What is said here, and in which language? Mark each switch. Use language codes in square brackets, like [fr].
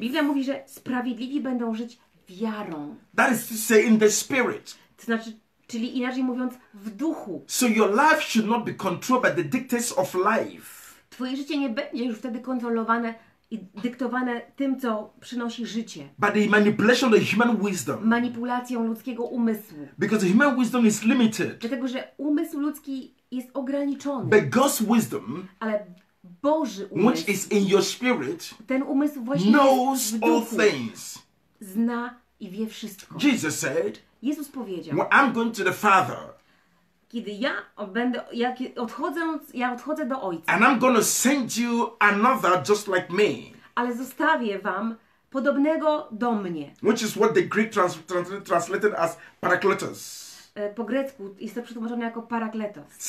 [pl] Biblia mówi, że sprawiedliwi będą żyć wiarą. [en] That is to say in the spirit. [pl] To znaczy, czyli inaczej mówiąc, w duchu. [en] So your life should not be controlled by the dictates of life. [pl] Twoje życie nie będzie już wtedy kontrolowane i dyktowane tym, co przynosi życie. [en] By the manipulation of human wisdom. [pl] Manipulacją ludzkiego umysłu. [en] Because human wisdom is limited. [pl] Dlatego, że umysł ludzki jest ograniczony. [en] But God's wisdom, [pl] ale Boży umysł, [en] which is in your spirit, [pl] ten umysł właśnie [en] knows [pl] w duchu, [en] all things. [pl] Zna i wie wszystko. [en] Jesus said, [pl] Jezus powiedział, [en] well, I'm going to the Father. [pl] Kiedy ja będę, ja odchodzę do Ojca. [en] And I'm gonna send you another just like me. [pl] Ale zostawię wam podobnego do mnie. [en] Which is what the Greek translated as parakletos. [pl] Po grecku jest to przetłumaczone jako parakletos.